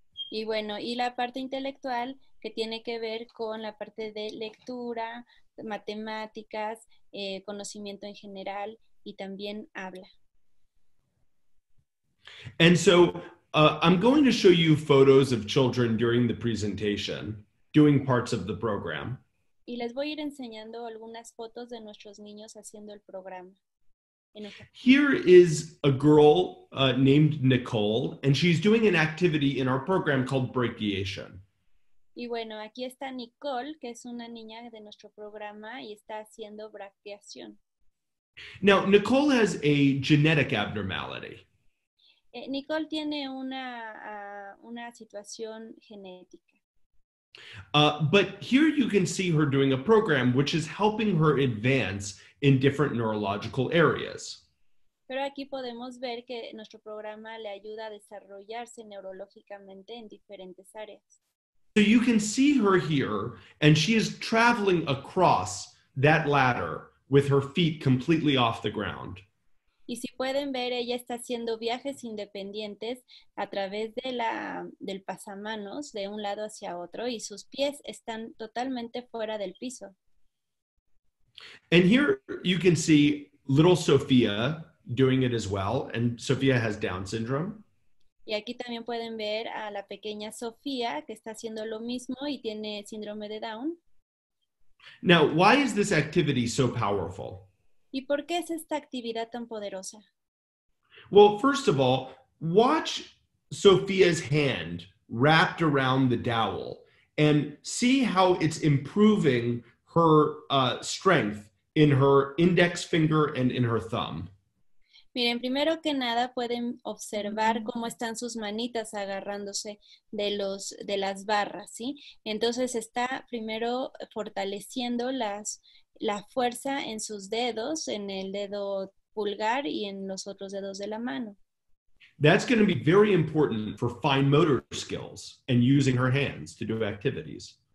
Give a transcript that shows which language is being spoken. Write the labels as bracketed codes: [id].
[es] Y bueno, y la parte intelectual, que tiene que ver con la parte de lectura, matemáticas, conocimiento en general y también habla. [en] And so I'm going to show you photos of children during the presentation, doing parts of the program. [es] Y les voy a ir enseñando algunas fotos de nuestros niños haciendo el programa. [en] Here is a girl named Nicole, and she's doing an activity in our program called Breakiation. [es] Y bueno, aquí está Nicole, que es una niña de nuestro programa y está haciendo Breakiation. [en] Now, Nicole has a genetic abnormality. [es] Nicole tiene una situación genética. [en] But here you can see her doing a program which is helping her advance in different neurological areas. [es] Pero aquí podemos ver que nuestro programa le ayuda a desarrollarse neurológicamente en diferentes áreas. [en] So you can see her here, and she is traveling across that ladder with her feet completely off the ground. [es] Y si pueden ver, ella está haciendo viajes independientes a través de del pasamanos de un lado hacia otro y sus pies están totalmente fuera del piso. [en] And here you can see little Sophia doing it as well, and Sophia has Down syndrome. [es] Y aquí también pueden ver a la pequeña Sofía que está haciendo lo mismo y tiene síndrome de Down. [en] Now, why is this activity so powerful? [es] ¿Y por qué es esta actividad tan poderosa? [en] Well, first of all, watch Sophia's hand wrapped around the dowel and see how it's improving her strength in her index finger and in her thumb. [es] Miren, primero que nada pueden observar cómo están sus manitas agarrándose de las barras, ¿sí? Entonces está primero fortaleciendo la fuerza en sus dedos, en el dedo pulgar y en los otros dedos de la mano. [en] That's going to be very important for fine motor skills and using her hands to do activities.